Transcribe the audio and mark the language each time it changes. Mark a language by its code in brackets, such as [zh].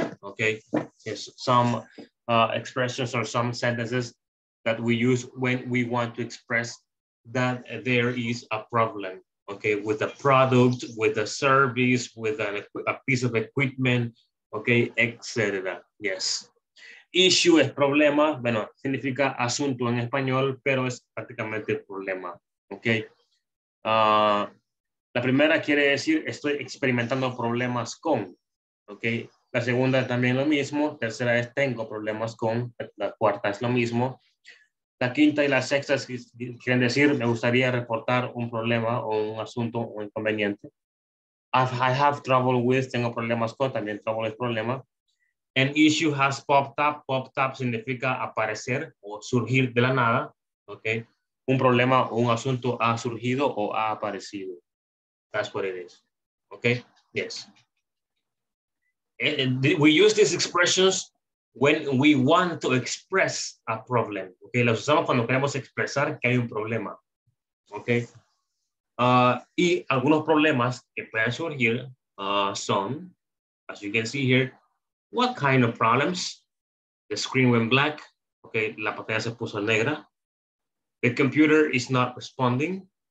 [en] Okay, yes, some expressions or some sentences that we use when we want to express that there is a problem, okay, with a product, with a service, with a piece of equipment, okay, etc. Yes. [es] Issue es problema, bueno, significa asunto en español, pero es prácticamente problema, okay. La primera quiere decir estoy experimentando problemas con, okay. La segunda también lo mismo, tercera es tengo problemas con, la cuarta es lo mismo. La quinta y la sexta quieren decir, me gustaría reportar un problema o un asunto o inconveniente. [en] I have trouble with, [es] tengo problemas con, también trouble es problema. [en] An issue has popped up. Popped up [es] significa aparecer o surgir de la nada. [en] Okay. [es] Un problema o un asunto ha surgido o ha aparecido. [en] That's what it is. [es] Okay, yes. [en] And we use these expressions when we want to express a problem. [es] Okay, las usamos cuando queremos expresar que hay un problema. [en] Okay. [es] Y algunos problemas que pueden surgir son, [en] as you can see here, what kind of problems? The screen went black. Okay, [es] la pantalla se puso negra. [en] The computer is not responding.